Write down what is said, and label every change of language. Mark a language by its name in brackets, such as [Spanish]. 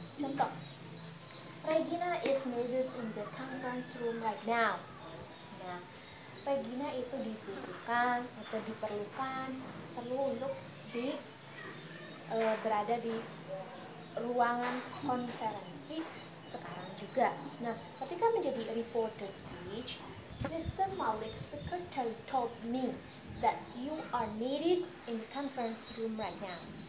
[English] Contoh, Regina is needed in the conference room right now. [Indonesian] Nah, Regina itu dibutuhkan atau diperlukan, perlu untuk di berada di ruangan konferensi sekarang juga. Nah, ketika menjadi reporter speech, Mr. [English] Malik's secretary told me that you are needed in the conference room right now.